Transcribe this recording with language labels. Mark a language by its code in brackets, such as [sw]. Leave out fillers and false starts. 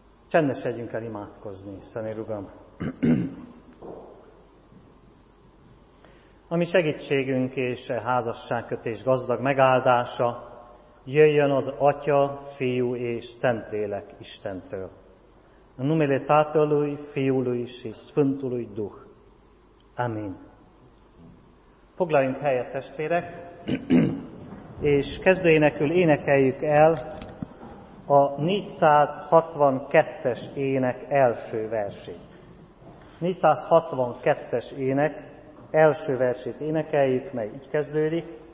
[hu] Csendesedjünk el imádkozni, Szentlélek Uram. A mi segítségünk és házasságkötés gazdag megáldása jöjjön az Atya, Fiú és Szentlélek Istentől. [ro] A numele Tatălui, Fiului și Sfântului Duh. [hu] Amin. Foglaljunk helyet, testvérek! És kezdőénekül énekeljük el a 462-es ének első versét. 462-es ének első versét énekeljük, mely így kezdődik.